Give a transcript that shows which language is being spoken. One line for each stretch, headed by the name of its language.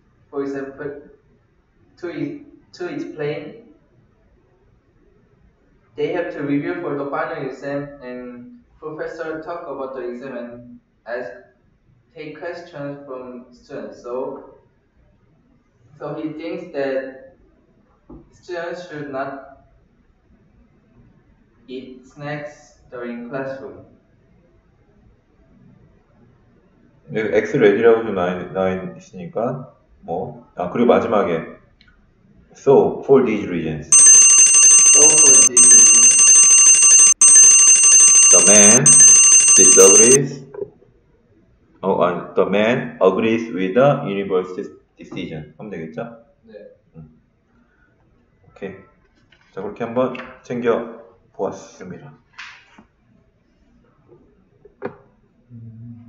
English: For example, to explain, they have to review for the final exam, and professor talk about the exam and ask, take questions from students. So he thinks that students should not eat snacks during classroom.
Korean: 여기 X 레디라고 좀 나와있으니까, 뭐. 아, 그리고 마지막에.
English: So, for these reasons. So, for these reasons. The man disagrees. Oh, and the man agrees with the university's decision.
Korean: 하면 되겠죠? 네. 오케이. 자, 그렇게 한번 챙겨 보았습니다.